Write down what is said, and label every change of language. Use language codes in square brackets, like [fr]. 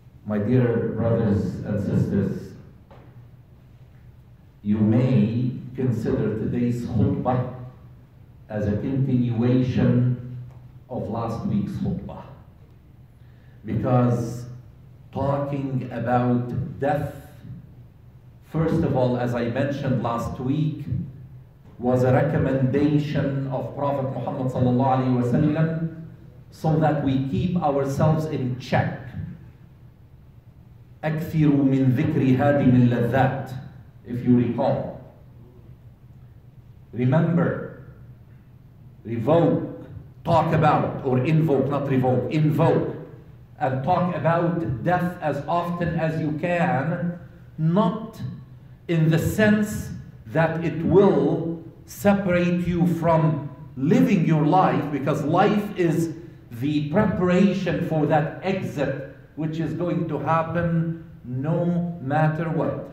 [en] My dear brothers and sisters, you may consider today's khutbah as a continuation of last week's khutbah, because talking about death, first of all, as I mentioned last week, was a recommendation of Prophet Muhammad sallallahu alaihi wasallam, so that we keep ourselves in check. [ar] أكثروا من ذكر هادم اللذات, [en] if you recall. Remember, revoke, talk about, or invoke, not revoke, invoke, and talk about death as often as you can, not in the sense that it will separate you from living your life, because life is the preparation for that exit which is going to happen no matter what.